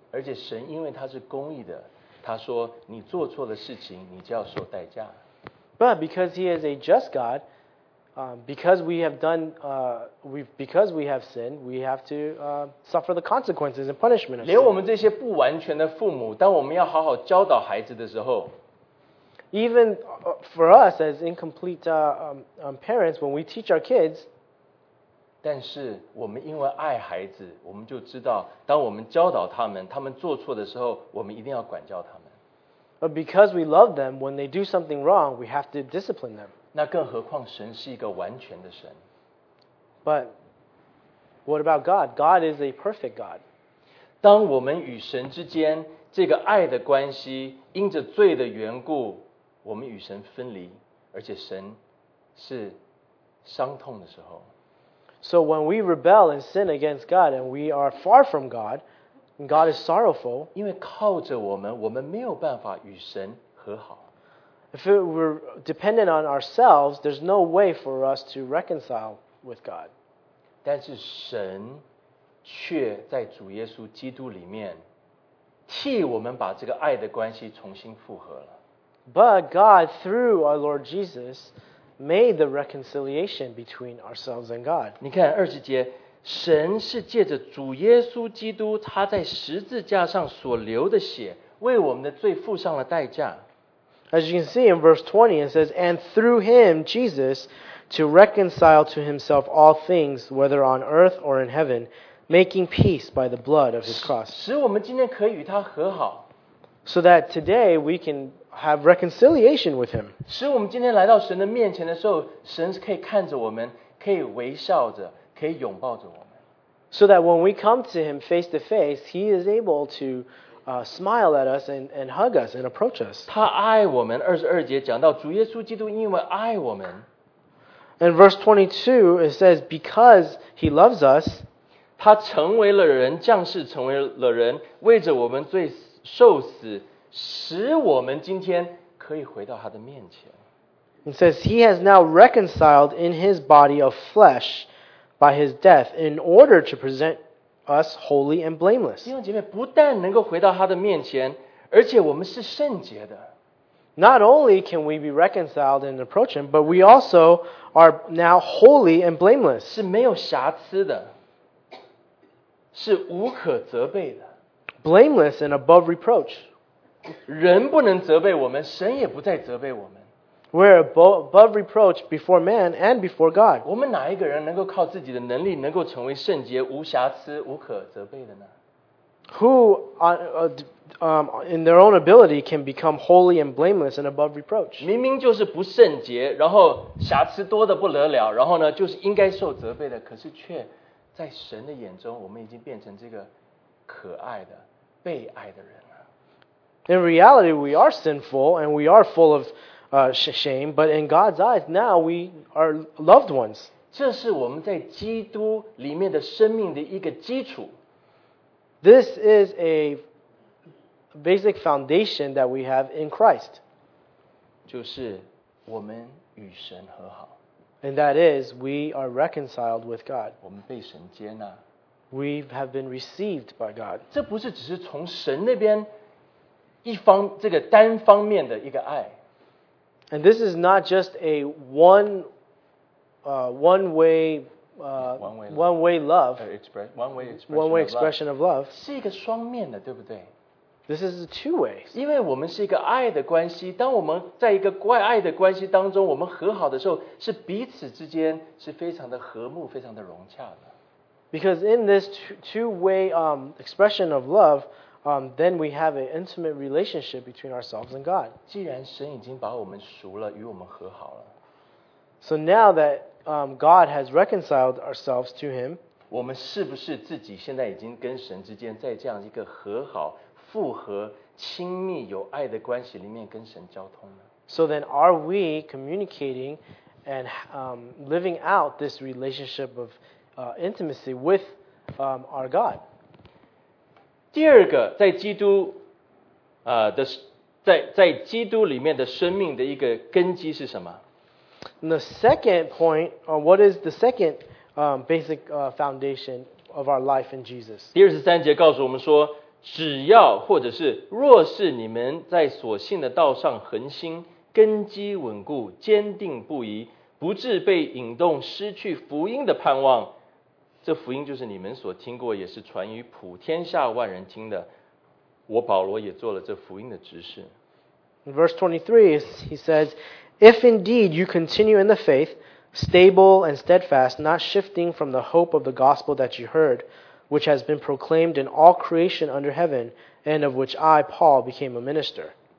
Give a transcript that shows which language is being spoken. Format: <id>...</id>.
<zh>而且神因为他是公义的。他说：“你做错了事情，你就要受代价。”</zh> <en>But because he is a just God, because we have sinned, we have to suffer the consequences and punishment of sin.</en> <zh>连我们这些不完全的父母，当我们要好好教导孩子的时候</zh> <en>，even for us as incomplete parents, when we teach our kids.</en> <zh>但是我们因为爱孩子，我们就知道，当我们教导他们，他们做错的时候，我们一定要管教他们。</zh> <en>But because we love them, when they do something wrong, we have to discipline them.</en> <zh>那更何况神是一个完全的神。</zh> <en>But what about God? God is a perfect God.</en> <zh>当我们与神之间这个爱的关系，因着罪的缘故，我们与神分离，而且神是伤痛的时候。</zh> <en>So when we rebel and sin against God and we are far from God, and God is sorrowful.</en> <zh>因为靠着我们，我们没有办法与神和好。</zh> <en>If it were dependent on ourselves, there's no way for us to reconcile with God.</en> <zh>但是神却在主耶稣基督里面替我们把这个爱的关系重新复合了。</zh> <en>But God, through our Lord Jesus, made the reconciliation between ourselves and God.</en> <zh>你看二十节，神是借着主耶稣基督他在十字架上所流的血，为我们的罪付上了代价。</zh> <en>As you can see in verse 20, it says, "And through Him, Jesus, to reconcile to Himself all things, whether on earth or in heaven, making peace by the blood of His cross."</en> <zh>使我们今天可以与他和好。</zh> <en>So that today we can have reconciliation with Him.</en> <zh>使我们今天来到神的面前的时候，神可以看着我们，可以微笑着，可以拥抱着我们。</zh> <en>So that when we come to Him face to face, He is able to smile at us and hug us and approach us.</en> <zh>他爱我们。二十二节讲到主耶稣基督因为爱我们。</zh> <en>And verse 22 it says, because He loves us,</en> <zh>他成为了人，降世成为了人，为着我们罪受死。使我们今天可以回到他的面前。</zh> <en>It says he has now reconciled in his body of flesh by his death in order to present us holy and blameless.</en> <zh>弟兄姐妹，不但能够回到他的面前，而且我们是圣洁的。</zh> <en>Not only can we be reconciled and approach Him, but we also are now holy and blameless.</en> <zh>是没有瑕疵的，是无可责备的。</zh> <en>Blameless and above reproach.</en> <zh>人不能责备我们，神也不再责备我们。</zh> <en>We're above reproach before man and before God.</en> <zh>我们哪一个人能够靠自己的能力能够成为圣洁、无瑕疵、无可责备的呢？</zh> <en>Who in their own ability can become holy and blameless and above reproach?</en> <zh>明明就是不圣洁，然后瑕疵多得不得了，然后呢，就是应该受责备的，可是却在神的眼中，我们已经变成这个可爱的、被爱的人了。</zh> <en>In reality, we are sinful and we are full of shame, but in God's eyes, now we are loved ones.</en> <zh>这是我们在基督里面的生命的一个基础。</zh> <en>This is a basic foundation that we have in Christ.</en> <zh>就是我们与神和好。</zh> <en>And that is, we are reconciled with God.</en> <zh>我们被神接纳。</zh> <en>We have been received by God.</en> <zh>这不是只是从神那边一方这个单方面的一个爱。</zh> <en>And this is not just a one way expression of love.</en> <zh>是一个双面的，对不对？</zh> <en>This is a two way.</en> <zh>因为我们是一个爱的关系，当我们在一个怪爱的关系当中，我们和好的时候，是彼此之间是非常的和睦，非常的融洽的。</zh> <en>Because in this expression of love, then we have an intimate relationship between ourselves and God.</en> <zh>既然神已经把我们赎了，与我们和好了。</zh> <en>So now that God has reconciled ourselves to Him,</en> <zh>我们是不是自己现在已经跟神之间在这样一个和好、复合、亲密、有爱的关系里面跟神交通呢？</zh> <en>So then are we communicating and living out this relationship of intimacy with our God?</en> <zh>第二个，在基督的在基督里面的生命的一个根基是什么？</zh> <en>The second point, what is the second basic foundation of our life in Jesus?</en> <zh>第二十三节告诉我们说，只要或者是若是你们在所信的道上恒心，根基稳固，坚定不移，不致被引动，失去福音的盼望。这福音就是你们所听过，也是传于普天下万人听的。我保罗也做了这福音的执事。</zh> <en>Verse 23, he says,If indeed you continue in the faith, stable and steadfast, not shifting from the hope of the gospel that you heard, which has been proclaimed in all creation under heaven, and of which I, Paul, became a minister.</en>